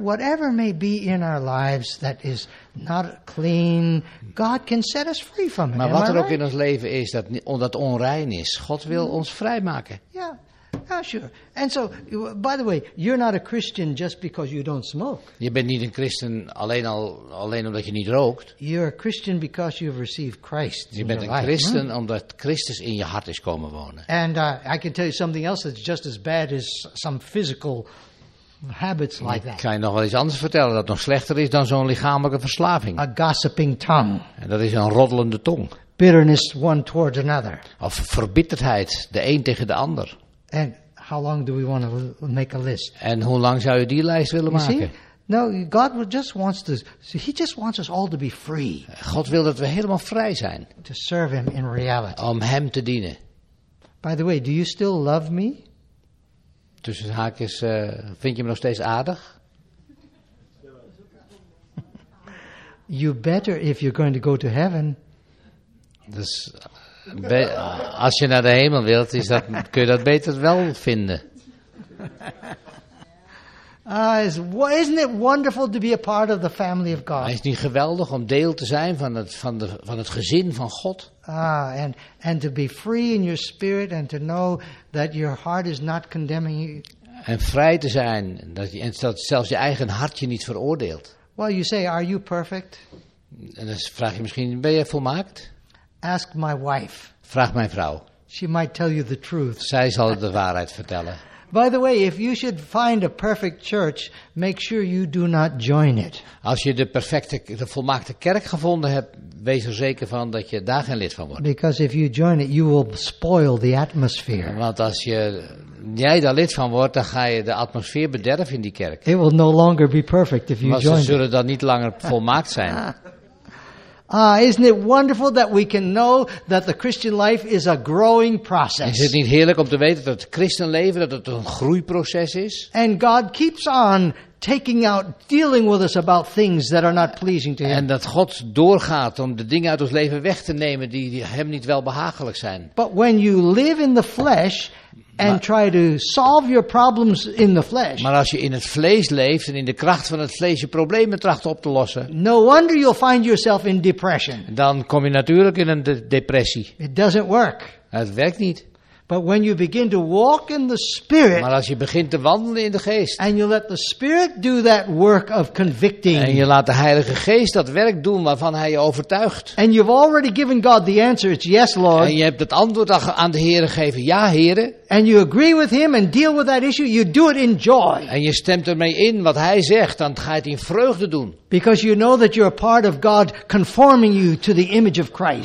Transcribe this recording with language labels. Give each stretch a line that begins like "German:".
English: Whatever may be in our lives that is not clean, God can set us free from it.
Dutch: Maar wat er ook
English: right?
Dutch: in ons leven is dat onrein is, God wil ons vrijmaken.
English: Yeah, sure. And so, by the way, you're not a Christian just because you don't smoke.
Dutch: Je bent niet een christen alleen omdat je niet rookt.
English: You're a Christian because you've received Christ in your life.
Dutch: Je bent een christen omdat Christus in je hart is komen wonen.
English: And I can tell you something else that's just as bad as some physical habits like that.
Dutch: Ik kan je nog wel iets anders vertellen dat nog slechter is dan zo'n lichamelijke verslaving.
English: A gossiping tongue.
Dutch: En dat is een roddelende tong.
English: Bitterness one towards another.
Dutch: Of verbitterdheid, de een tegen de ander.
English: And how long do we want to make a list?
Dutch: En hoe lang zou je die lijst willen
English: you
Dutch: maken?
English: See? No, God just wants to. He just wants us all to be free.
Dutch: God wil dat we helemaal vrij zijn.
English: To serve Him in reality.
Dutch: Om Hem te dienen.
English: By the way, do you still love me?
Dutch: Tussen haakjes, vind je me nog steeds aardig?
English: You better if you're going to go to heaven.
Dutch: Dus als je naar de hemel wilt, kun je dat beter wel vinden.
English: Isn't it wonderful to be a part of the family of God?
Dutch: Is het niet geweldig om deel te zijn van het gezin van God?
English: And to be free in your spirit and to know that your heart is not condemning you.
Dutch: En vrij te zijn dat zelfs je eigen hart je niet veroordeelt.
English: Well, you say, are you perfect?
Dutch: En dan vraag je misschien, ben je volmaakt?
English: Ask my wife.
Dutch: Vraag mijn vrouw.
English: She might tell you the truth.
Dutch: Zij zal de waarheid vertellen.
English: By the way, if you should find a perfect church, make sure you do not join it.
Dutch: Als je de volmaakte kerk gevonden hebt, wees er zeker van dat je daar geen lid van wordt.
English: Because if you join it, you will spoil the atmosphere.
Dutch: Want als jij daar lid van wordt, dan ga je de atmosfeer bederven in die kerk.
English: It will no longer be perfect if you join it.
Dutch: Ze zullen dan niet langer volmaakt zijn.
English: Isn't it wonderful that we can know that the Christian life is a growing process?
Dutch: Is het niet heerlijk om te weten dat het christenleven dat het een groeiproces is?
English: And God keeps on taking out, dealing with us about things that are not pleasing to Him.
Dutch: En dat God doorgaat om de dingen uit ons leven weg te nemen die Hem niet wel behagelijk zijn.
English: But when you live in the flesh and try to solve your problems in the flesh.
Dutch: Maar als je in het vlees leeft en in de kracht van het vlees je problemen tracht op te lossen.
English: No wonder you'll find yourself in depression.
Dutch: Dan kom je natuurlijk in een depressie.
English: It doesn't work.
Dutch: Het werkt niet.
English: But when you begin to walk in the Spirit.
Dutch: Maar als je begint te wandelen in de geest.
English: And you let the Spirit do that work of convicting.
Dutch: En je laat de Heilige Geest dat werk doen waarvan Hij je overtuigt.
English: And you've already given God the answer. It's yes, Lord.
Dutch: En je hebt het antwoord aan de Heere gegeven. Ja, Heere.
English: And you agree with Him and deal with that issue. You do it in joy.
Dutch: En je stemt ermee in wat Hij zegt. Dan ga je het in vreugde doen.
English: Because you know that you're a part of God conforming you to the image of Christ.